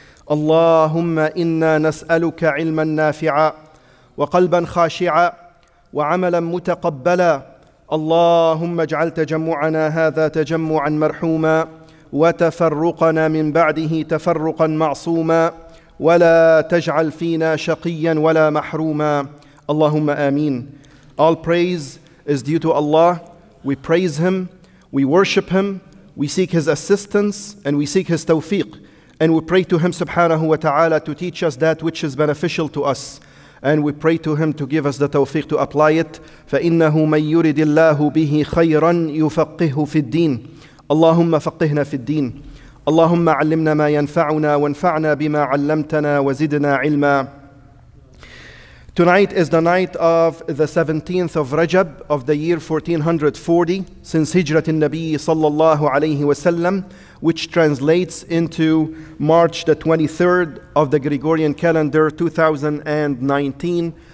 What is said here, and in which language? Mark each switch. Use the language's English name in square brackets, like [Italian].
[Arabic] اللهم إنا نسألك علما نافعا وقلبا خاشعا وعملا متقبلا. اللهم اجعل تجمعنا هذا تجمعا مرحوما، وتفرقنا من بعده تفرقا معصوما، ولا تجعل فينا شقيا ولا محروما. اللهم آمين. [English] All praise is due to Allah. We praise Him, we worship Him, we seek His assistance, and we seek His tawfiq. And we pray to Him [Arabic] subhanahu wa ta'ala [English] to teach us that which is beneficial to us. And we pray to Him to give us the tawfiq to apply it. [Arabic] فَإِنَّهُ مَنْ يُرِدِ اللَّهُ بِهِ خَيْرًا يُفَقِّهُ فِي الدِّينِ. اللهم فقهنا في الدين، اللهم علمنا ما ينفعنا وانفعنا بما علمتنا وزدنا علما. [English] Tonight is the night of the 17th of Rajab of the year 1440 since Hijrat al-Nabi [Arabic] sallallahu alayhi wa sallam, [English] which translates into March the 23rd of the Gregorian calendar 2019.